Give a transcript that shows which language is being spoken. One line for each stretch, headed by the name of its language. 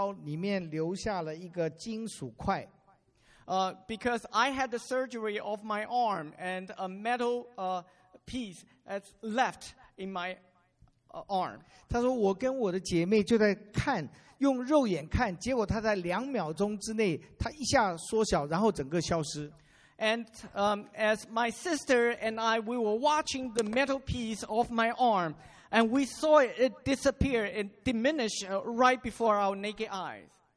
Chinese: 因为我的手左手开过刀，里面留下了一个金属块。
English: Because I had the surgery of my arm and a metal piece that's left in my arm.
Chinese: 他说我跟我的姐妹就在看，用肉眼看，结果他在2秒钟之内，他一下缩小，然后整个消失。
English: And as my sister and I, we were watching the metal piece of my arm, and we saw it disappear and diminish right before our naked eyes.